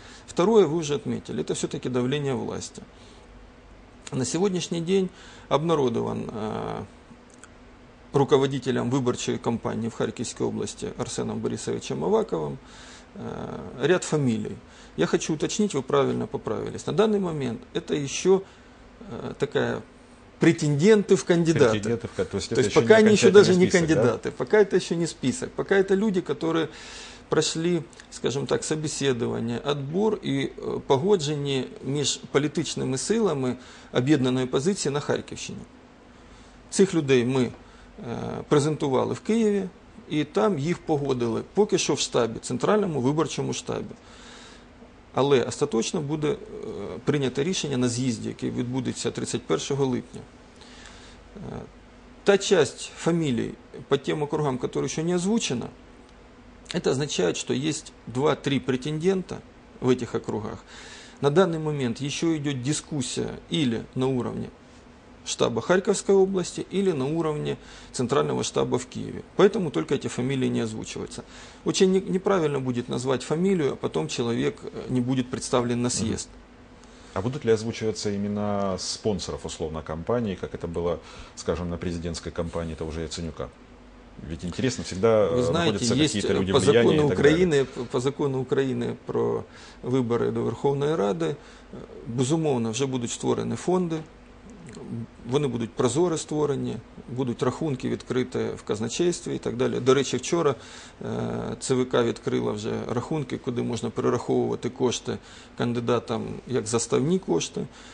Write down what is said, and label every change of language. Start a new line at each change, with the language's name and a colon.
Russian: Второе, вы уже отметили, это все-таки давление власти. На сегодняшний день обнародован руководителем выборчей кампании в Харьковской области Арсеном Борисовичем Аваковым ряд фамилий. Я хочу уточнить, вы правильно поправились. На данный момент это еще такая претенденты в кандидаты. То есть пока они еще даже не кандидаты, да? Пока это еще не список. Пока это люди, которые прошли, скажем так, собеседование, отбор и
Ukrainian: погоджение між політичними силами об'єднаної позиції на Харківщині. Цих людей ми презентували в Києві, і там їх погодили поки що в штабі, центральному виборчому штабі. Але остаточно буде прийнято рішення на з'їзді, який відбудеться 31 липня. Та часть фамілій по тим округам, які ще не
Russian: озвучена, это означает, что есть 2-3 претендента в этих округах. На данный момент еще идет дискуссия или на уровне штаба Харьковской области, или на уровне центрального штаба в Киеве. Поэтому только эти фамилии не озвучиваются. Очень неправильно будет назвать фамилию, а потом человек не будет представлен на съезд. А будут ли озвучиваться имена спонсоров, условно, кампании, как это было, скажем, на президентской кампании того же Яценюка? Ведь интересно, всегда вы знаете, находятся какие-то люди по закону влияния.
Ukrainian: Украины, по закону Украины про вибори до Верховної Ради, безумовно, вже будуть створені фонди, вони будуть прозоро створені, будуть рахунки відкрити в казначействі і так далі. До речі, вчора ЦВК відкрила вже рахунки, куди можна перераховувати кошти кандидатам як заставні кошти.